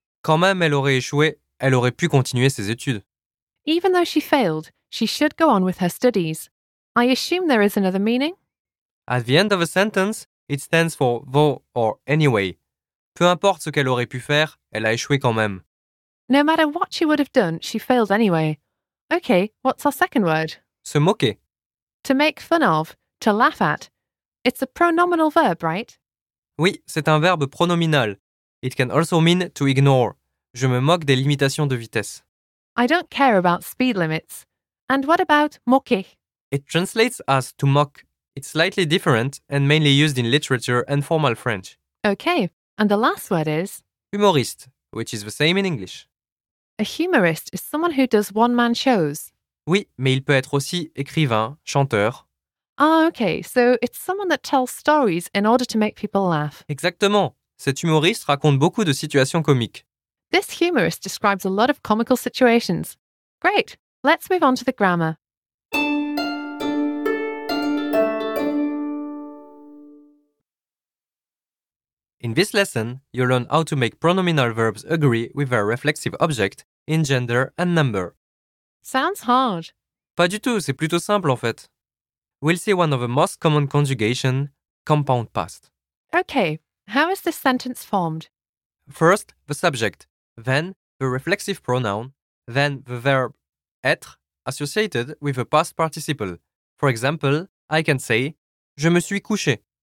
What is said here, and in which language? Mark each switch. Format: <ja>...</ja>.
<fr>Quand même, elle aurait échoué, elle aurait pu continuer ses études.</fr> <en>Even though she failed, she should go on with her studies. I assume there is another meaning? At the end of a sentence, it stands for though or anyway.</en> <fr>Peu importe ce qu'elle aurait pu faire, elle a échoué quand même.</fr> <en>No matter what she would have done, she failed anyway. Okay, what's our second word?</en> <fr>Se moquer.</fr> <en>To make fun of, to laugh at. It's a pronominal verb, right?</en> <fr>Oui, c'est un verbe pronominal.</fr> <en>It can also mean to ignore.</en> <fr>Je me moque des limitations de vitesse.</fr> <en>I don't care about speed limits. And what about moquer? It translates as to mock. It's slightly different and mainly used in literature and formal French. Okay, and the last word is? Humoriste, which is the same in English. A humorist is someone who does one-man shows.</en> <fr>Oui, mais il peut être aussi écrivain, chanteur.</fr> <en>Ah, okay, so it's someone that tells stories in order to make people laugh.</en> <fr>Exactement. Cet humoriste raconte beaucoup de situations comiques.</fr> <en>This humorist describes a lot of comical situations. Great, let's move on to the grammar. In this lesson, you learn how to make pronominal verbs agree with their reflexive object in gender and number. Sounds hard.</en> <fr>Pas du tout, c'est plutôt simple en fait.</fr> <en>We'll see one of the most common conjugations, compound past. Okay, how is this sentence formed? First, the subject, then the reflexive pronoun, then the verb être associated with the past participle. For example, I can say,</en> <fr>je me suis couché.</fr>